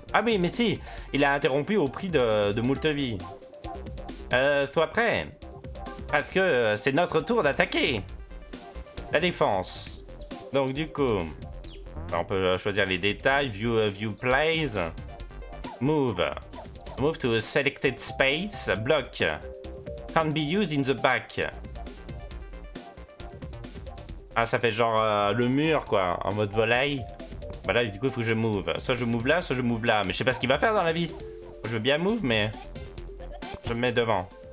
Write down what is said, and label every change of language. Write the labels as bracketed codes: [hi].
[fr] Ah oui, mais si, il l'a interrompu au prix de moult vie. Sois prêt. Parce que c'est notre tour d'attaquer. La défense. Donc du coup... On peut choisir les détails, [en] view plays, move. Move to a selected space, block. Can't be used in the back. [fr] Ah, ça fait genre le mur quoi, en mode volley. Bah là, du coup, il faut que je move. Soit je move là, soit je move là. Mais je sais pas ce qu'il va faire dans la vie. Je veux bien move, mais je me mets devant.